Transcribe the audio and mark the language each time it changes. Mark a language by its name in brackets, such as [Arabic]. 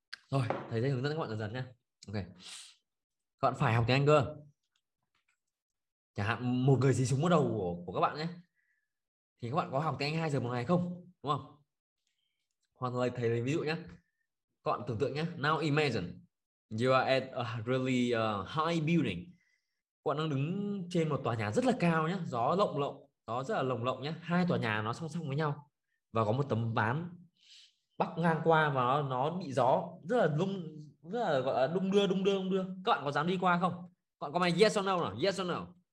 [Vietnamese] Rồi, thầy sẽ hướng dẫn các bạn dần dần nha. Ok. Các bạn phải học tiếng Anh cơ. Chẳng hạn một người gì súng bắt đầu của các bạn nhé. Thì các bạn có học tiếng Anh 2 giờ một ngày không? Đúng không? Hoặc là thầy lấy ví dụ nhé. Các bạn tưởng tượng nhé. [English] Now imagine you are at a really high building. [Vietnamese] Các bạn đang đứng trên một tòa nhà rất là cao nhé. Gió lộng lộng. Gió rất là lồng lộng nhé. Hai tòa nhà nó song song với nhau. Và có một tấm ván bắc ngang qua và nó bị gió rất là đung đưa. Các bạn có dám đi qua không? Các bạn comment yes or no nào. [English] Yes or no.